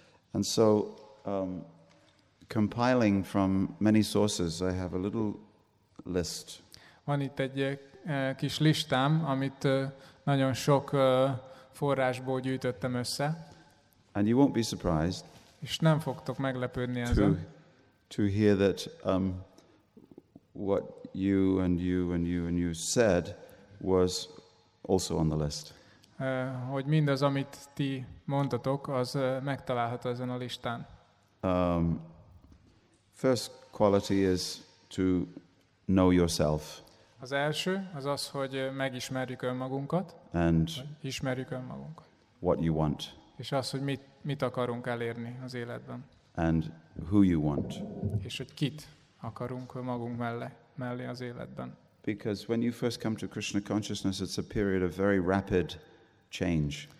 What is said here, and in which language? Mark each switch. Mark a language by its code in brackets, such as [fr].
[en] And so, compiling from many sources, I have a little list. [hu] Van itt egy kis listám, amit nagyon sok forrásból gyűjtöttem össze. [en] And you won't be surprised. [hu] És nem fogtok meglepődni ezen. [en] To hear that what you said was also on the list. [hu] Hogy mindaz, amit ti mondtatok, az megtalálható ezen a listán. [en] First quality is to know yourself. [hu] Az első az az, hogy megismerjük önmagunkat. [en] And [hu] ismerjük önmagunkat. [en] What you want. [hu] És az, hogy mit akarunk elérni az életben. [en] And who you want. [hu] És hogy kit akarunk magunk mellé az életben. [en] Because when you first come to Krishna consciousness, it's a period of very rapid change.